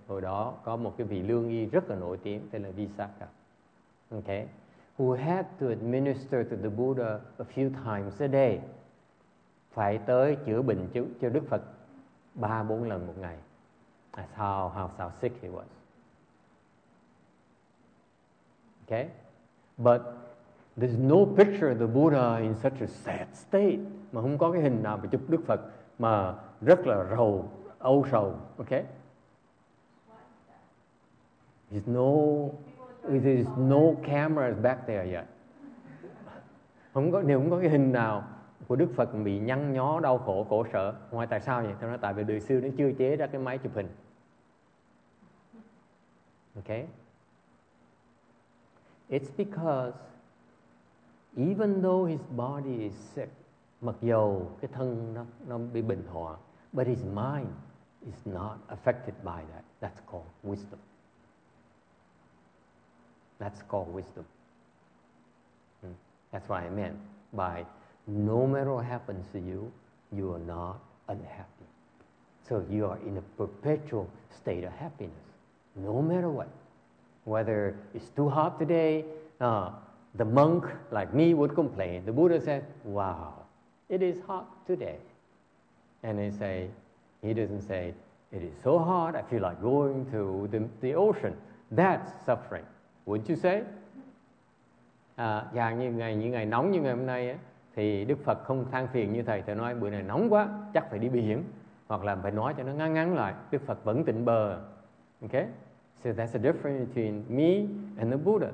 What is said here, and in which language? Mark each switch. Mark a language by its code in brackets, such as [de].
[vi] Hồi đó có một cái vị lương y rất là nổi tiếng tên là Visakha. [en] Okay. Who had to administer to the Buddha a few times a day. [vi] Phải tới chữa bệnh cho Đức Phật 3-4 lần một ngày. [en] That's how sick he was. Okay. But There's no picture of the Buddha in such a sad state. [vi] Mà không có cái hình nào mà chụp Đức Phật mà rất là rầu, âu sầu. [en] Okay? There's no, there's no cameras back there yet. [vi] Không có, đều không có cái hình nào của Đức Phật bị nhăn nhó, đau khổ, khổ sở. Ngoài tại sao vậy? Tôi nói tại vì đời xưa nó chưa chế ra cái máy chụp hình. [en] Okay? It's because even though his body is sick, [vi] mặc dù cái thân nó bị bệnh hoạn, [en] but his mind is not affected by that. That's called wisdom. That's called wisdom. That's what I meant by no matter what happens to you, you are not unhappy. So you are in a perpetual state of happiness, no matter what. Whether it's too hot today, the monk like me would complain. The Buddha said, wow, it is hot today. And they say, he doesn't say, it is so hot, I feel like going to the ocean. That's suffering. Wouldn't you say? [vi] Dạng như ngày nóng như ngày hôm nay ấy, thì Đức Phật không than phiền như thầy. Thầy nói bữa này nóng quá, chắc phải đi biển. Hoặc là phải nói cho nó ngắn ngắn lại. Đức Phật vẫn tịnh bờ. Okay? [en] So that's the difference between me and the Buddha.